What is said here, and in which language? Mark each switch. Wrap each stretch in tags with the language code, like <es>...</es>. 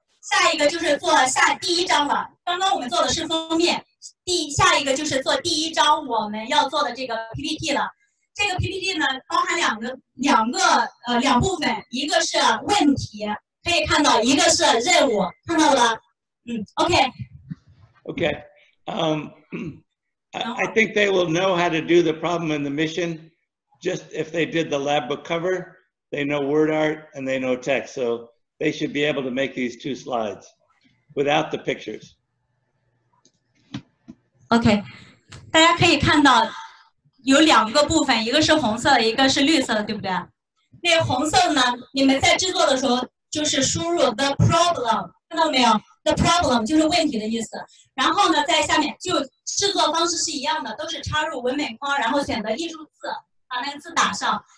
<zh>下一个就是做下第一章了。刚刚我们做的是封面，下一个就是做第一章我们要做的这个 PPT 了。这个 PPT 呢，包含两部分，一个是问题，可以看到，一个是任务，看到了？</zh> <en>I think they will know how to do the problem and the mission. Just if they did the lab book cover, they know word art and they know text. So they should be able to make these 2 slides without the pictures.</en> <zh>Okay. 大家可以看到有两个部分，一个是红色的，一个是绿色的，对不对？那红色呢，你们在制作的时候就是输入 the problem， 看到没有？ the problem 就是问题的意思。然后呢，在下面就制作方式是一样的，都是插入文本框，然后选择艺术字，把那个字打上。</zh>